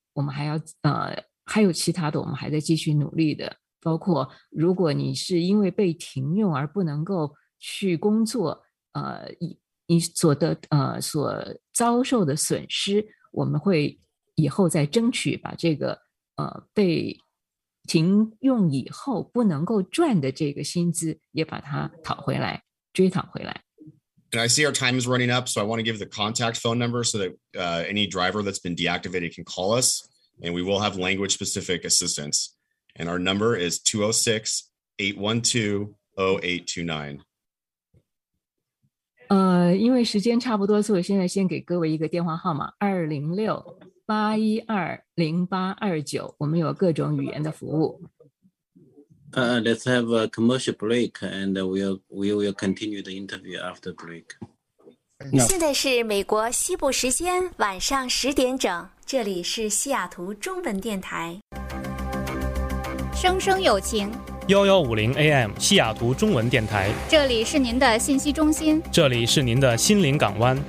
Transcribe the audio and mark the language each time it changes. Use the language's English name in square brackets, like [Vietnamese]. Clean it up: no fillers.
[Chinese] 我们还要还有其他的我们还在继续努力的，包括如果你是因为被停用而不能够去工作，你所得所遭受的损失，我们会以后再争取把这个被停用以后不能够赚的这个薪资也把它讨回来，追讨回来。 [English] And I see our time is running up, so I want to give the contact phone number so that any driver that's been deactivated can call us, and we will have language-specific assistance. And our number is 206-812-0829. [Chinese] 因为时间差不多，所以我现在先给各位一个电话号码，206-812-0829。我们有各种语言的服务。 [English] Let's have a commercial break, and we will continue the interview after break. [Chinese] 现在是美国西部时间晚上10:00，这里是西雅图中文电台。声声有情。 1150 AM 西雅图中文电台。这里是您的信息中心。这里是您的心灵港湾。